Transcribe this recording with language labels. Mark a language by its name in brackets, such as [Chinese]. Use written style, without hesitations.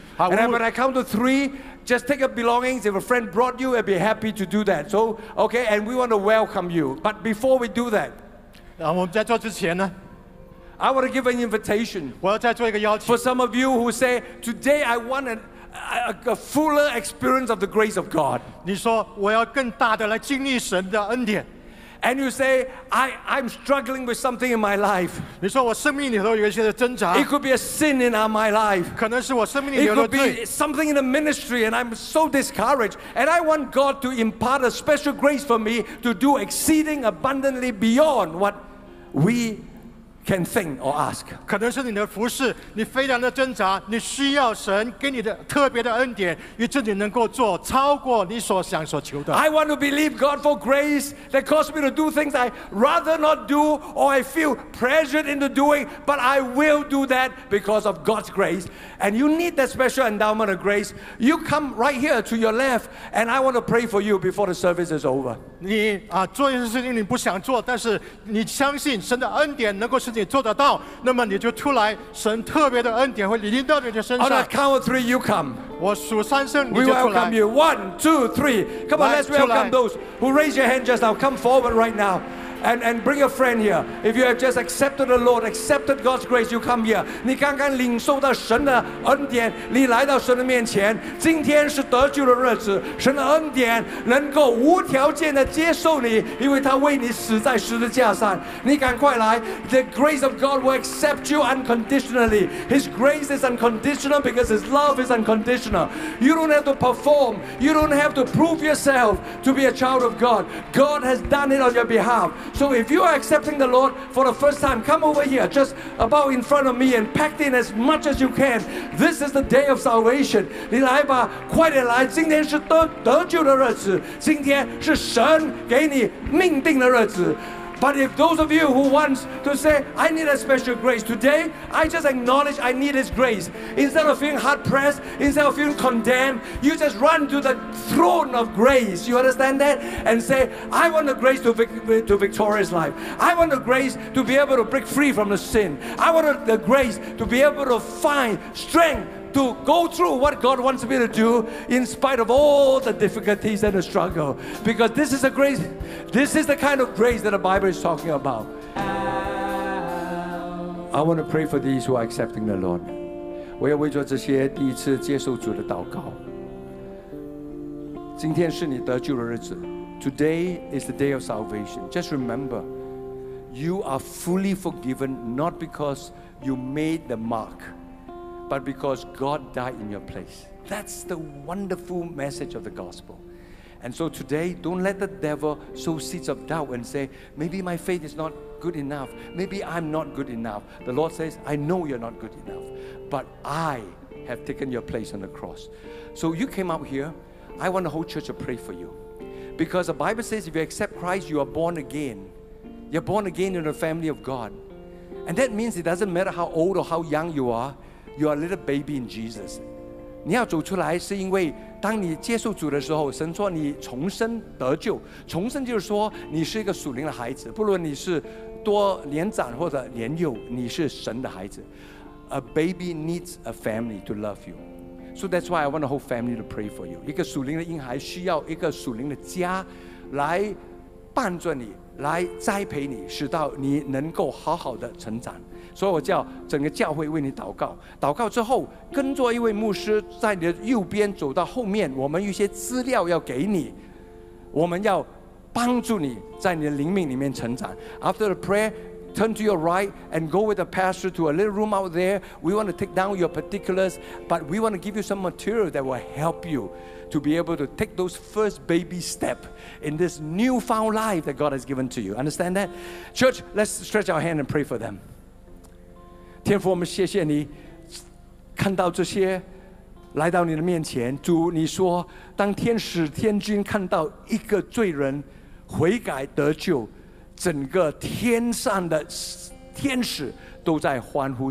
[English] And when I count to three, just take your belongings. If a friend brought you, I'd be happy to do that. So, okay, and we want to welcome you. But before we do that, [Chinese] 我们在做之前呢, [English] I want to give an invitation [Chinese] 我要再做一个邀请, [English] for some of you who say, today I want a fuller experience of the grace of God. [Chinese] 你说我要更大的来经历神的恩典。 [English] And you say, I'm struggling with something in my life. [Chinese] 你说我生命里头有一些挣扎。 [English] It could be a sin in my life. [Chinese] 可能是我生命里有的罪。 [English] It could be something in the ministry, and I'm so discouraged. And I want God to impart a special grace for me to do exceeding abundantly beyond what we can think or ask. [Chinese] 可能是你的服事，你非常的挣扎，你需要神给你的特别的恩典，以致你能够做超过你所想所求的。 [English] I want to believe God for grace that caused me to do things I rather not do or I feel pressured into doing, but I will do that because of God's grace. And you need that special endowment of grace. You come right here to your left, and I want to pray for you before the service is over. [Chinese] 你啊，做一些事情你不想做，但是你相信神的恩典能够。是你做得到，那么你就出来，神特别的恩典会临到你的身上。 [English] On the count of three, you come. [Chinese] 我数三声，你就出来。 [English] We welcome you. One, two, three. Come on, let's welcome those who raise your hand just now. Come forward right now, and bring a friend here. If you have just accepted the Lord, accepted God's grace, you come here. [Chinese] 你刚刚领受到神的恩典，你来到神的面前。今天是得救的日子，神的恩典能够无条件的接受你，因为他为你死在十字架上。你赶快来。 [English] The grace of God will accept you unconditionally. His grace is unconditional because his love is unconditional. You don't have to perform. You don't have to prove yourself to be a child of God. God has done it on your behalf. So if you are accepting the Lord for the first time, come over here, just about in front of me and pack in as much as you can. This is the day of salvation. [Chinese] 你来吧，快点来，今天是得救的日子，今天是神给你命定的日子。 [English] But if those of you who want to say, I need a special grace today, I just acknowledge I need His grace. Instead of feeling hard-pressed, instead of feeling condemned, you just run to the throne of grace. You understand that? And say, I want the grace to victorious life. I want the grace to be able to break free from the sin. I want the grace to be able to find strength to go through what God wants me to do in spite of all the difficulties and the struggle. Because this is a grace, this is the kind of grace that the Bible is talking about. I want to pray for these who are accepting the Lord. [Chinese] 我要为着这些第一次接受主的祷告。今天是你得救的日子。 [English] Today is the day of salvation. Just remember, you are fully forgiven not because you made the mark. But because God died in your place. That's the wonderful message of the gospel. And so today, don't let the devil sow seeds of doubt and say, maybe my faith is not good enough. Maybe I'm not good enough. The Lord says, I know you're not good enough. But I have taken your place on the cross. So you came out here. I want the whole church to pray for you. Because the Bible says, if you accept Christ, you are born again. You're born again in the family of God. And that means it doesn't matter how old or how young you are. You are a little baby in Jesus. [Chinese] 你要走出来是因为当你接受主的时候神说你重生得救。重生就是说你是一个属灵的孩子。不论你是多年长或者年幼你是神的孩子。 [English] A baby needs a family to love you. So that's why I want the whole family to pray for you. [Chinese] 一个属灵的婴孩需要一个属灵的家来伴着你来栽培你使到你能够好好的成长。所以我叫整个教会为你祷告祷告之后跟着一位牧师在你的右边走到后面我们有些资料要给你我们要帮助你在你的灵命里面成长。 [English] After the prayer, turn to your right and go with the pastor to a little room out there. We want to take down your particulars, but we want to give you some material that will help you to be able to take those first baby step in this newfound life that God has given to you. Understand that? Church, let's stretch our hand and pray for them. [Chinese] 天父，我们谢谢你看到这些来到你的面前。主，你说当天使天君看到一个罪人悔改得救，整个天上的天使都在欢呼。